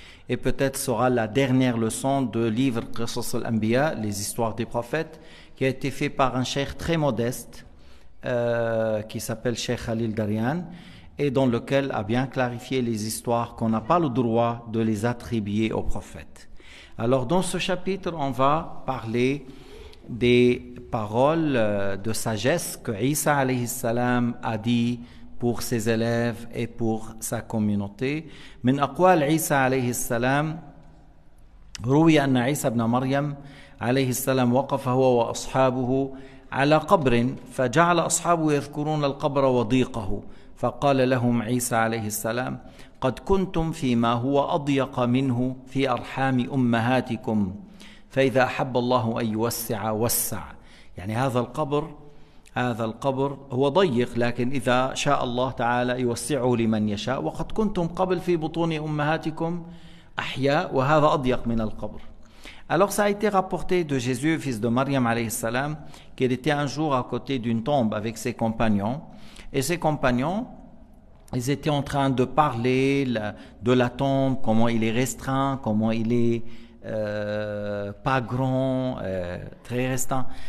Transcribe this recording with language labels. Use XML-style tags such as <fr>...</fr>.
<fr>Et peut-être sera la dernière leçon de livre Qisas al-Anbiya, les histoires des prophètes, qui a été fait par un cheikh très modeste qui s'appelle Cheikh Khalil Darian, et dans lequel a bien clarifié les histoires qu'on n'a pas le droit de les attribuer aux prophètes. Alors dans ce chapitre, on va parler des paroles de sagesse que Isa alayhi salam a dit pour ses élèves et pour sa communauté.</fr> <ar>Min aqwal Isa alayhi salam ruwiya anna Isa ibn Maryam alayhi salam waqafa huwa wa ashabuhu على قبر فجعل أصحابه يذكرون القبر وضيقه فقال لهم عيسى عليه السلام قد كنتم فيما هو أضيق منه في أرحام أمهاتكم فإذا أحب الله أن يوسع وسع. يعني هذا القبر هو ضيق، لكن إذا شاء الله تعالى يوسعه لمن يشاء، وقد كنتم قبل في بطون أمهاتكم أحياء وهذا أضيق من القبر.</ar> <fr>Alors ça a été rapporté de Jésus, fils de Maryam alayhi salam, qu'il était un jour à côté d'une tombe avec ses compagnons. Et ses compagnons, ils étaient en train de parler de la tombe, comment il est restreint, comment il est pas grand, très restreint.</fr>